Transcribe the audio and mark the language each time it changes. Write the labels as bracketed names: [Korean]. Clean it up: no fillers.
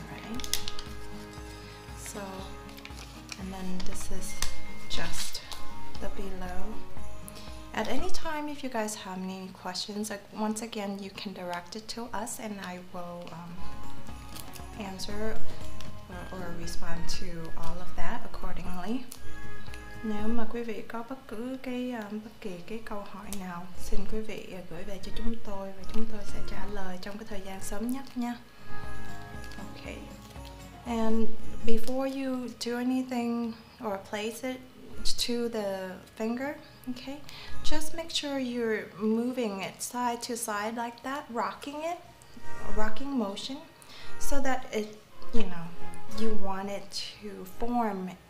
[English] Alright. So, and then this is just the below. At any time, if you guys have any questions, once again, you can direct it to us, and I will answer or respond to all of that accordingly. [Vietnamese] Nếu mà quý vị có bất kỳ cái câu hỏi nào, xin quý vị gửi về cho chúng tôi và chúng tôi sẽ trả lời trong cái thời gian sớm nhất nha. [English] Okay. And before you do anything or place it to the finger, okay, just make sure you're moving it side to side like that, rocking it, rocking motion, so that it, you know, you want it to form.